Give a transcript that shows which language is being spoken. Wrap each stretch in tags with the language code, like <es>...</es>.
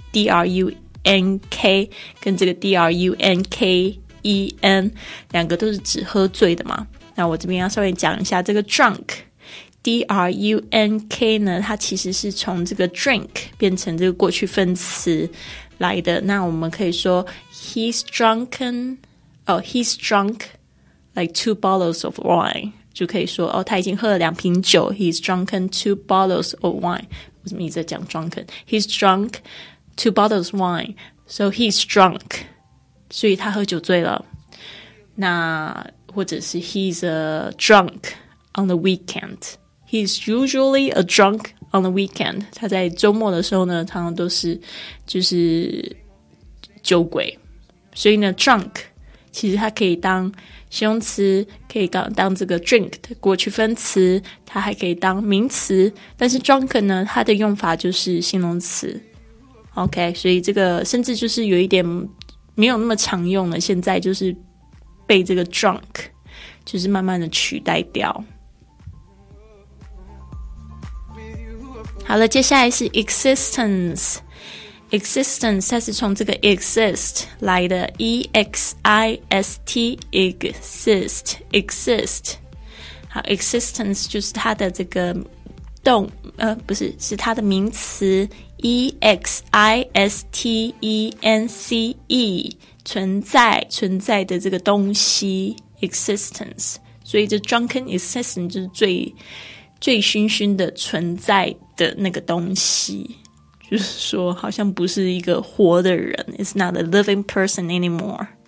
<zh>D-R-U-N-K 跟这个 D-R-U-N-K-E-N 两个都是指喝醉的嘛，那我这边要稍微讲一下这个 drunkDRUNK 呢，它其实是从这个 drink 变成这个过去分词来的。那我们可以说</zh> <en>he's drunken, oh, he's drunk like two bottles of wine.</en> <zh>就可以说哦，他已经喝了两瓶酒。</zh> <en>He's drunken two bottles of wine.</en> <zh>我怎么一直在讲 drunken?</zh> <en>He's drunk two bottles of wine. So he's drunk.</en> <zh>所以他喝酒醉了。那或者是</zh> <en>he's a drunk on the weekend. He's usually a drunk on the weekend.</en> <zh>他在周末的时候呢，常常都是就是酒鬼。所以呢 drunk 其实它可以当形容词，可以当这个 drink 的过去分词，它还可以当名词。但是 drunk 呢，它的用法就是形容词。OK， 所以这个甚至就是有一点没有那么常用了，现在就是被这个 drunk 就是慢慢的取代掉。好了，接下来是 existence。 existence 它是从这个 exist 来的， E-X-I-S-T exist exist。好， existence 就是它的这个动不是，是它的名词 E-X-I-S-T-E-N-C-E 存在，存在的这个东西 existence。所以这 drunken existence 就是最醉醺醺的存在的那个东西，就是说好像不是一个活的人，</zh> <en>It's not a living person anymore.</en>